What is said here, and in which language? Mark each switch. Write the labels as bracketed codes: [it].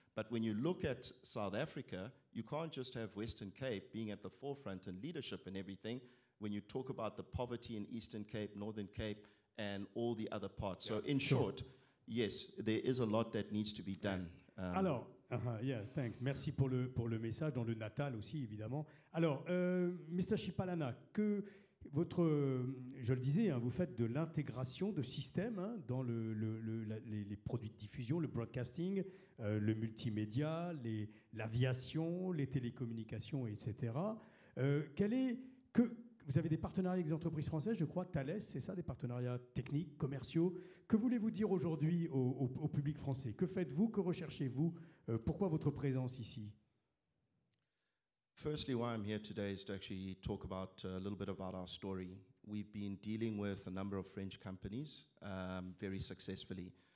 [en] But when you look at South Africa, you can't just have Western Cape being at the forefront and leadership and everything when you talk about the poverty in Eastern Cape, Northern Cape, and all the other parts. Yeah. So in short, yes, there is a lot that needs to be done. [fr] Alors, [en] thanks. [fr] Merci pour le message, dans le Natal aussi, évidemment. Alors, Mr. Chipalana, que... Votre, je le disais, hein, vous faites de l'intégration de systèmes, hein, dans les produits de diffusion, le broadcasting, le multimédia, l'aviation, les télécommunications, etc. Vous avez des partenariats avec des entreprises françaises, je crois, Thales, c'est ça, des partenariats techniques, commerciaux. Que voulez-vous dire aujourd'hui au public français? Que faites-vous? Que recherchez-vous? Pourquoi votre présence ici? [en] Firstly, why I'm here today is to actually talk about a little bit about our story. We've been dealing with a number of French companies very successfully.